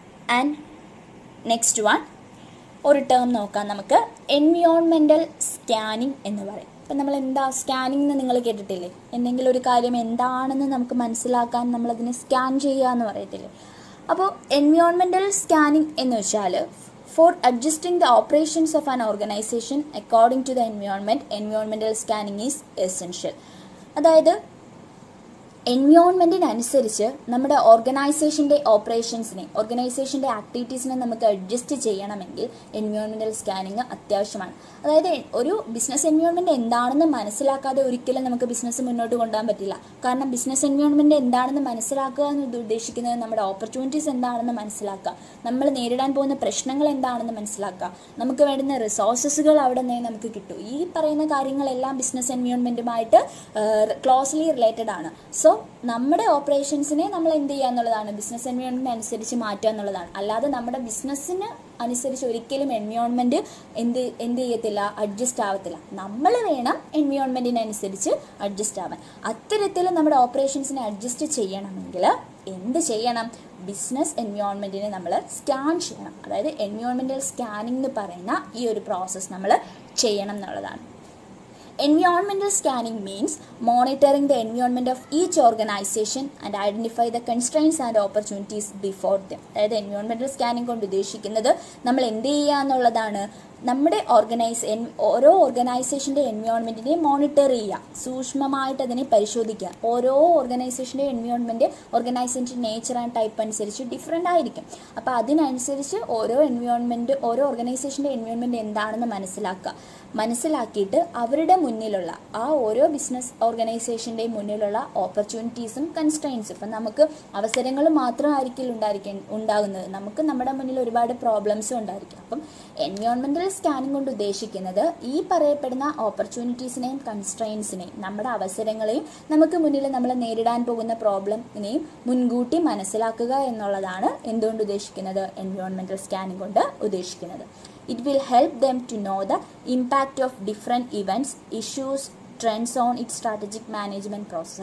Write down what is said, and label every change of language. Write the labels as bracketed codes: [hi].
[ml] And next one, ഒരു term നോക്കാം നമുക്ക്, എൻവയോൺമെൻറ്റൽ സ്കാനിങ് എന്ന് പറയും. ഇപ്പം നമ്മൾ എന്താ സ്കാനിങ് എന്ന് നിങ്ങൾ കേട്ടിട്ടില്ലേ? എന്തെങ്കിലും ഒരു കാര്യം എന്താണെന്ന് നമുക്ക് മനസ്സിലാക്കാൻ നമ്മളതിനെ സ്കാൻ ചെയ്യുക എന്ന് പറയത്തില്ലേ? അപ്പോൾ എൻവയോൺമെൻറ്റൽ സ്കാനിങ് എന്ന് വെച്ചാൽ 4. [en] Adjusting the operations of an organization according to the environment. Environmental scanning is essential. [ml] അതായത് എൻവയോൺമെൻറ്റിനനുസരിച്ച് നമ്മുടെ ഓർഗനൈസേഷൻ്റെ ഓപ്പറേഷൻസിനെ ഓർഗനൈസേഷൻ്റെ ആക്ടിവിറ്റീസിനെ നമുക്ക് അഡ്ജസ്റ്റ് ചെയ്യണമെങ്കിൽ എൻവയോൺമെൻ്റൽ സ്കാനിങ് അത്യാവശ്യമാണ്. അതായത് ഒരു ബിസിനസ് എൻവയോൺമെൻറ്റ് എന്താണെന്ന് മനസ്സിലാക്കാതെ ഒരിക്കലും നമുക്ക് ബിസിനസ് മുന്നോട്ട് കൊണ്ടുപോകാൻ പറ്റില്ല. കാരണം ബിസിനസ് എൻവയോൺമെൻറ്റ് എന്താണെന്ന് മനസ്സിലാക്കുക എന്ന് ഉദ്ദേശിക്കുന്നത് നമ്മുടെ ഓപ്പർച്യൂണിറ്റീസ് എന്താണെന്ന് മനസ്സിലാക്കുക, നമ്മൾ നേരിടാൻ പോകുന്ന പ്രശ്നങ്ങൾ എന്താണെന്ന് മനസ്സിലാക്കുക, നമുക്ക് വേണ്ടുന്ന റിസോഴ്സസുകൾ അവിടെ നിന്നേ നമുക്ക് കിട്ടും. ഈ പറയുന്ന കാര്യങ്ങളെല്ലാം ബിസിനസ് എൻവയോൺമെൻറ്റുമായിട്ട് ക്ലോസ്ലി റിലേറ്റഡ് ആണ്. സോ നമ്മുടെ ഓപ്പറേഷൻസിനെ നമ്മൾ എന്ത് ചെയ്യുക എന്നുള്ളതാണ്, ബിസിനസ് എൻവയോൺമെൻറ്റ് അനുസരിച്ച് മാറ്റുക എന്നുള്ളതാണ്. അല്ലാതെ നമ്മുടെ ബിസിനസ്സിന് അനുസരിച്ച് ഒരിക്കലും എൻവയോൺമെൻറ്റ് എന്ത് ചെയ്യത്തില്ല, അഡ്ജസ്റ്റ് ആവത്തില്ല. നമ്മൾ വേണം എൻവയോൺമെൻറ്റിനനുസരിച്ച് അഡ്ജസ്റ്റ് ആവാൻ. അത്തരത്തിൽ നമ്മുടെ ഓപ്പറേഷൻസിനെ അഡ്ജസ്റ്റ് ചെയ്യണമെങ്കിൽ എന്ത് ചെയ്യണം, ബിസിനസ് എൻവയോൺമെൻറ്റിനെ നമ്മൾ സ്കാൻ ചെയ്യണം. അതായത് എൻവയോൺമെൻറ്റൽ സ്കാനിങ് എന്ന് പറയുന്ന ഈ ഒരു പ്രോസസ്സ് നമ്മൾ ചെയ്യണം എന്നുള്ളതാണ്. [en] Environmental scanning means monitoring the environment of each organization and identify the constraints and opportunities before them. [ml] അതായത് environmental scanning കൊണ്ട് ഉദ്ദേശിക്കുന്നത് നമ്മൾ എന്ത് ചെയ്യുക എന്നുള്ളതാണ്, നമ്മുടെ ഓരോ ഓർഗനൈസേഷൻ്റെ എൻവയോൺമെൻറ്റിനെ മോണിറ്റർ ചെയ്യുക, സൂക്ഷ്മമായിട്ട് അതിനെ പരിശോധിക്കുക. ഓരോ ഓർഗനൈസേഷൻ്റെ എൻവയോൺമെൻറ്റ് ഓർഗനൈസേഷൻ്റെ നേച്ചർ ആൻഡ് ടൈപ്പ് അനുസരിച്ച് ഡിഫറെൻ്റ് ആയിരിക്കും. അപ്പോൾ അതിനനുസരിച്ച് ഓരോ എൻവയോൺമെൻറ്റ് ഓരോ ഓർഗനൈസേഷൻ്റെ എൻവയോൺമെൻറ്റ് എന്താണെന്ന് മനസ്സിലാക്കുക. മനസ്സിലാക്കിയിട്ട് അവരുടെ മുന്നിലുള്ള ആ ഓരോ ബിസിനസ് ഓർഗനൈസേഷൻ്റെയും മുന്നിലുള്ള ഓപ്പർച്യൂണിറ്റീസും കൺസ്ട്രെയിൻസും, ഇപ്പം നമുക്ക് അവസരങ്ങൾ മാത്രമായിരിക്കും ഉണ്ടാകുന്നത്, നമുക്ക് നമ്മുടെ മുന്നിൽ ഒരുപാട് പ്രോബ്ലംസും ഉണ്ടായിരിക്കും. അപ്പം എൻവയോൺമെൻറ്റൽ സ്കാനിങ് കൊണ്ട് ഉദ്ദേശിക്കുന്നത് ഈ പറയപ്പെടുന്ന ഓപ്പർച്യൂണിറ്റീസിനെയും കൺസ്ട്രെയിൻസിനെയും നമ്മുടെ അവസരങ്ങളെയും നമുക്ക് മുന്നിൽ നമ്മൾ നേരിടാൻ പോകുന്ന പ്രോബ്ലമിനെയും മുൻകൂട്ടി മനസ്സിലാക്കുക എന്നുള്ളതാണ് എന്തുകൊണ്ട് ഉദ്ദേശിക്കുന്നത്, എൻവയോൺമെൻറ്റൽ സ്കാനിങ് കൊണ്ട് ഉദ്ദേശിക്കുന്നത്. [en] It will help them to know the impact of different events, issues, trends on it strategic management process.